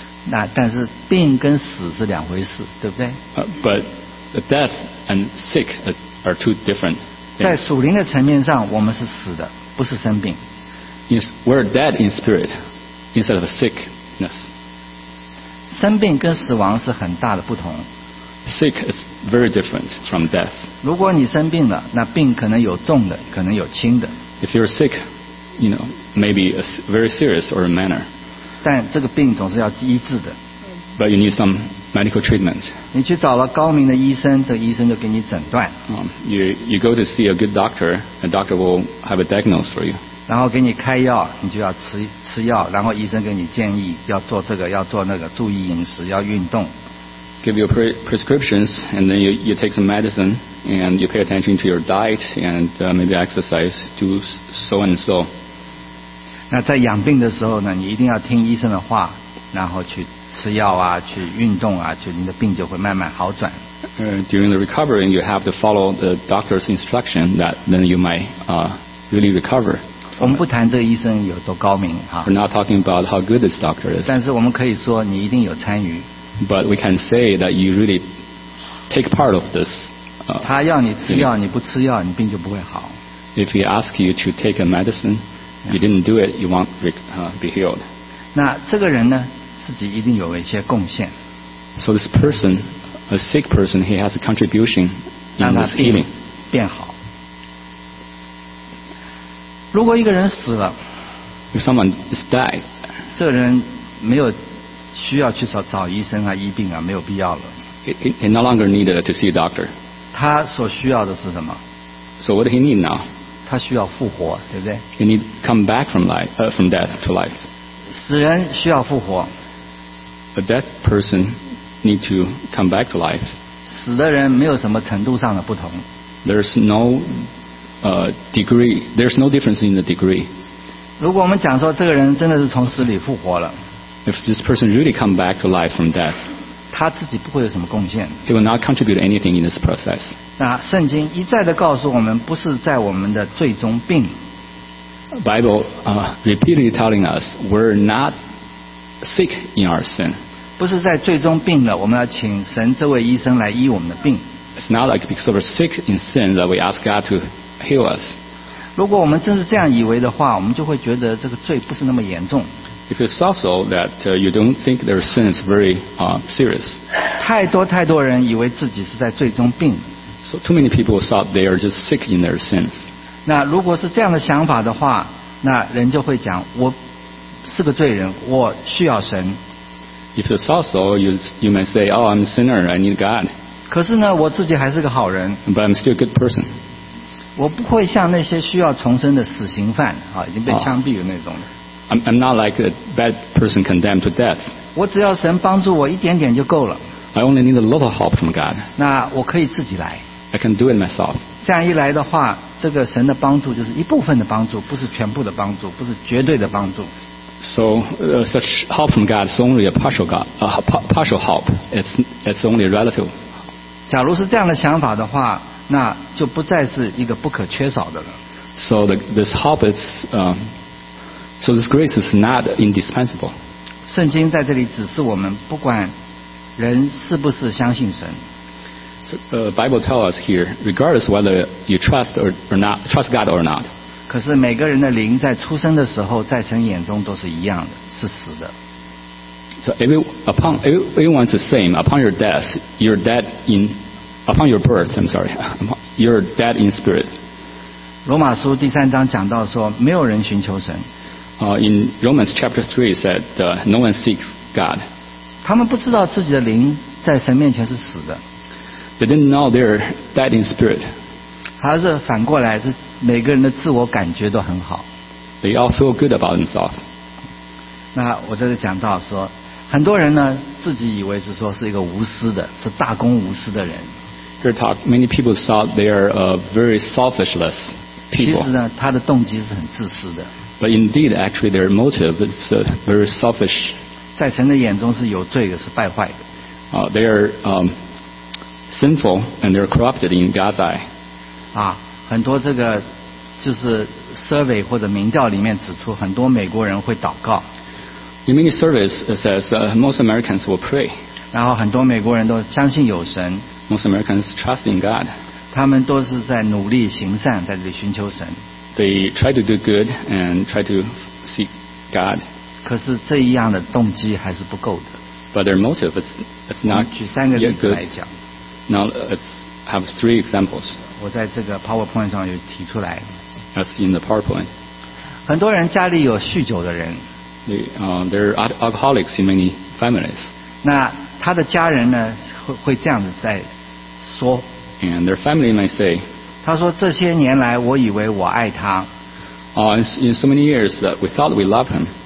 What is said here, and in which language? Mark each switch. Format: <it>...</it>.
<zh>那但是病跟死是两回事，对不对？</zh> <en>But death and sick are two different things.</en> <zh>在属灵的层面上，我们是死的，不是生病。</zh> <en>We're dead in spirit instead of sickness.</en> <zh>生病跟死亡是很大的不同。</zh> <en>Sick is very different from death.</en> <zh>如果你生病了，那病可能有重的，可能有轻的。</zh> <en>If you're sick, you know, maybe a very serious or a minor.</en> <zh>但这个病总是要医治的。</zh> <en>But you need some medical treatment.</en> <zh>你去找了高明的医生，这个、医生就给你诊断。</zh> <en>You go to see a good doctor, a doctor will have a diagnosis for you.</en> <zh>然后给你开药，你就要吃药，然后医生给你建议要做这个，要做那个，注意饮食，要运动。</zh> <en>Give you prescriptions, and then you take some medicine, and you pay attention to your diet, and maybe exercise, do so and so.</en> <zh>那在养病的时候呢，你一定要听医生的话，然后去吃药啊，去运动啊，就你的病就会慢慢好转。</zh> <en>During the recovery, you have to follow the doctor's instruction, that then you might really recover.</en> <zh>我们不谈这个医生有多高明哈。</zh> <en>We're not talking about how good this doctor is.</en> <zh>但是我们可以说，你一定有参与。</zh> <en>But we can say that you really take part of this.</en> <zh>他要你吃药，你不吃药，你病就不会好。</zh> <en>If he asks you to take a medicine, you didn't do it, you won't be healed.</en> <zh>那这个人呢，自己一定有一些贡献。</zh> <en>So this person, a sick person, he has a contribution in this healing.</en> <zh>变好。如果一个人死了，</zh> <en>If someone is died,</en> <zh>这个人没有。需要去 找医生啊，医病啊，没有必要了。</zh> <en>He no longer needed to see a doctor.</en> <zh>他所需要的是什么？</zh> <en>So what do he need now?</en> <zh>他需要复活，对不对？</zh> <en>He need come back from life, from death to life.</en> <zh>死人需要复活。</zh> <en>A dead person need to come back to life.</en> <zh>死的人没有什么程度上的不同。</zh> <en>There's no degree. There's no difference in the degree.</en> <zh>如果我们讲说这个人真的是从死里复活了。</zh> <en>If this person really come back to life from death,</en> <zh>他自己不会有什么贡献。</zh> <en>He will not contribute anything in this process.</en> <zh>那圣经一再的告诉我们，不是在我们的罪中病。</zh> <en>Bible repeatedly telling us we're not sick in our sin.</en> <zh>不是在罪中病了，我们要请神这位医生来医我们的病。</zh> <en>It's not like because we're sick in sin that we ask God to heal us.</en> <zh>如果我们真是这样以为的话，我们就会觉得这个罪不是那么严重。</zh> <en>If it's also that you don't think their sin is very serious.</en> <zh>太多太多人以为自己是在罪中病。</zh> <en>So too many people thought they are just sick in their sins.</en> <zh>那如果是这样的想法的话，那人就会讲，我是个罪人，我需要神。</zh> <en>If it's also you may say, oh, I'm a sinner, I need God.</en> <zh>可是呢，我自己还是个好人。</zh> <en>But I'm still a good person.</en> <zh>我不会像那些需要重生的死刑犯啊，已经被枪毙的那种。</zh> <en>I'm not like a bad person condemned to death.</en> <zh>我只要神帮助我一点点就够了。</zh> <en>I only need a little help from God.</en> <zh>那我可以自己来。</zh> <en>I can do it myself.</en> <zh>这样一来的话，这个神的帮助就是一部分的帮助，不是全部的帮助，不是绝对的帮助。</zh> <en>So such help from God is only a partial God, a partial help. It's only relative.</en> <zh>假如是这样的想法的话，那就不再是一个不可缺少的了。</zh> <en>So this help is. So this grace is not indispensable.</en> <zh>圣经在这里指示我们，不管人是不是相信神。</zh> <en>So Bible tells us here, regardless whether you trust or not, trust God or not.</en> <zh>可是每个人的灵在出生的时候，在神眼中都是一样的，是死的。</zh> <en>So everyone's the same. Upon your death, you're dead in. Upon your birth, I'm sorry, you're dead in spirit.</en> <zh>罗马书第三章讲到说，没有人寻求神。</zh> <en>In Romans chapter 3 it said no one seeks God.</en> <zh>他们不知道自己的灵在神面前是死的。</zh> <en>They didn't know their dead in spirit.</en> <zh>还是反过来，是每个人的自我感觉都很好。</zh> <en>They all feel good about themselves.</en> <zh>那我这里讲到说，很多人呢自己以为是说是一个无私的，是大公无私的人。</zh> <en>Here talk, many people thought they are a very selfishless people.</en> <zh>其实呢，他的动机是很自私的。</zh> <en>But indeed, actually, their motive is very selfish.</en> <zh>在神的眼中是有罪的，是败坏的。</zh> <en>They are sinful and they are corrupted in God's eye.</en> <zh>啊，很多这个就是 survey 或者民调里面指出，很多美国人会祷告。</zh> <en>In many surveys, it says most Americans will pray.</en> <zh>然后很多美国人都相信有神。</zh> <en>Most Americans trust in God.</en> <zh>他们都是在努力行善，在这里寻求神。</zh> <en>They try to do good and try to seek God.</en> <zh>可是这一样的动机还是不够的。</zh> <en>But their motive is not good.</en> <zh>举三个例子来讲。</zh> <en>Now let's have three examples.</en> <zh>我在这个 PowerPoint 上有提出来。</zh> <en>That's in the PowerPoint.</en> <zh>很多人家里有酗酒的人。</zh> <en>There are alcoholics in many families.</en> <zh>那他的家人呢，会这样子在说。</zh> <en>And their family might say.</en> <zh>他说这些年来，我以为我爱他。</zh> <en>In so many years that we thought we loved him.</en>